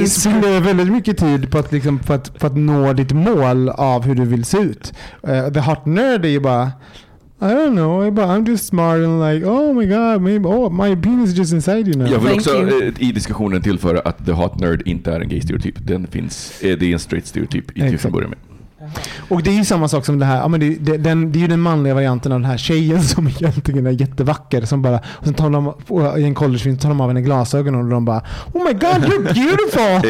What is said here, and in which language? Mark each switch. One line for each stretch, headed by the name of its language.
Swedish: Du spenderar väldigt mycket tid på att, liksom, för att nå ditt mål av hur du vill se ut.
English: The hot nerd
Swedish: är ju bara,
English: I don't know, but I'm just smart and like, oh my god, maybe, oh, my penis is just inside you now.
Swedish: Jag vill också i diskussionen tillföra att the hot nerd inte är en gay stereotyp. Den finns, det är en straight stereotyp i början med. Och det är ju samma sak som det här, ja, men det är ju den manliga varianten av den här tjejen som egentligen är jättevacker, som bara, och sen tar de i en collegefilm, tar de av henne glasögon och de bara,
English: oh my god, you're beautiful.